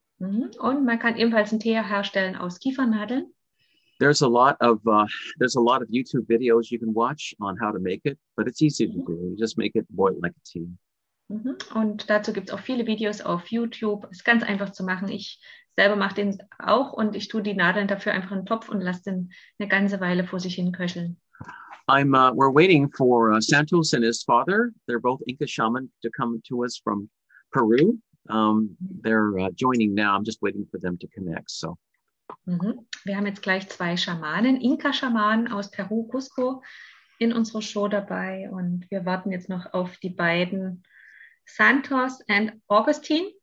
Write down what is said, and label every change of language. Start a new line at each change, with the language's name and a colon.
German: Und man kann ebenfalls einen Tee herstellen aus Kiefernadeln.
English: There's a lot of YouTube videos you can watch on how to make it, but it's easy to do. You just make it boil like a tea.
German: Und dazu gibt es auch viele Videos auf YouTube. Es ist ganz einfach zu machen. Ich selber mache den auch und ich tue die Nadeln dafür einfach in den Topf und lasse den eine ganze Weile vor sich hin köcheln.
English: We're waiting for Santos and his father. They're both Inca shaman to come to us from Peru. They're joining now. I'm just waiting for them to connect. So.
German: Mm-hmm. Wir haben jetzt gleich 2 Schamanen, Inka-Schamanen aus Peru, Cusco, in unserer Show dabei. Und wir warten jetzt noch auf die beiden Santos and Augustine.